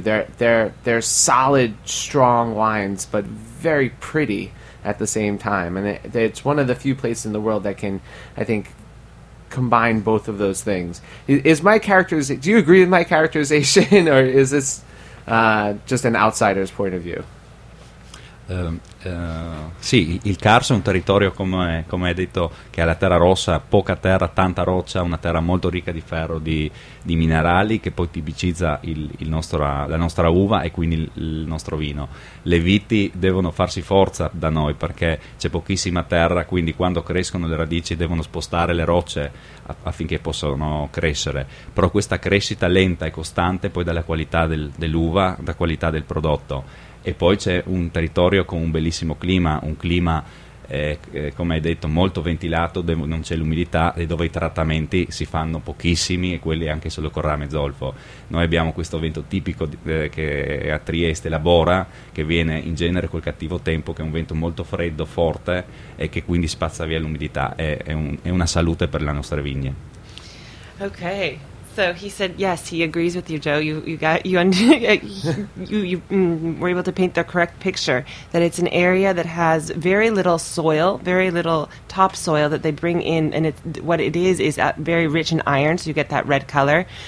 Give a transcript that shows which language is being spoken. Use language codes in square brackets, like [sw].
[en] They're solid, strong wines, but very pretty at the same time. And it's one of the few places in the world that can, I think, combine both of those things. Is my characterization? Do you agree with my characterization, or is this just an outsider's point of view? [it] Sì, il Carso è un territorio, come hai detto, che ha la terra rossa, poca terra, tanta roccia, una terra molto ricca di ferro, di minerali, che poi tipicizza la nostra uva e quindi il nostro vino. Le viti devono farsi forza da noi perché c'è pochissima terra, quindi quando crescono le radici devono spostare le rocce affinché possano crescere, però questa crescita lenta e costante poi dalla qualità dell'uva, da qualità del prodotto. E poi c'è un territorio con un bellissimo clima, un clima, come hai detto, molto ventilato, dove non c'è l'umidità e dove i trattamenti si fanno pochissimi, e quelli anche solo con rame zolfo. Noi abbiamo questo vento tipico che è a Trieste, la Bora, che viene in genere col cattivo tempo, che è un vento molto freddo, forte, e che quindi spazza via l'umidità. È una salute per le nostre vigne. Ok. [en] So he said, yes, he agrees with you, Joe. You were able to paint the correct picture, that it's an area that has very little soil, very little topsoil that they bring in, and it is very rich in iron, so you get that red color.